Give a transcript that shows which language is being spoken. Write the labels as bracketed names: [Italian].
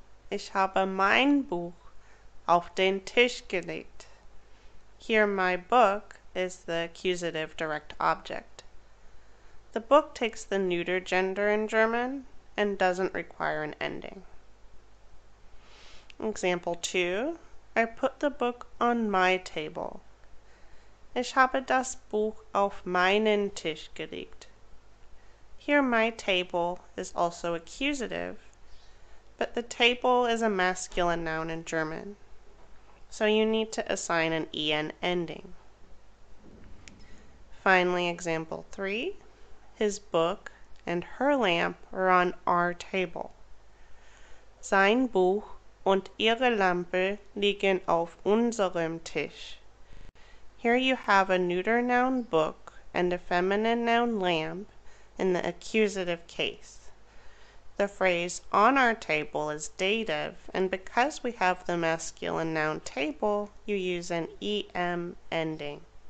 [German] Ich habe mein Buch auf den Tisch gelegt. [English] Here my book is the accusative direct object. The book takes the neuter gender in German and doesn't require an ending. Example 2. I put the book on my table. [German] Ich habe das Buch auf meinen Tisch gelegt. [English] Here, my table is also accusative, but the table is a masculine noun in German, so you need to assign an en ending. Finally, example 3, his book and her lamp are on our table. [German] Sein Buch und ihre Lampe liegen auf unserem Tisch. [English] Here you have a neuter noun book and a feminine noun lamp in the accusative case. The phrase on our table is dative, and because we have the masculine noun table, you use an em ending.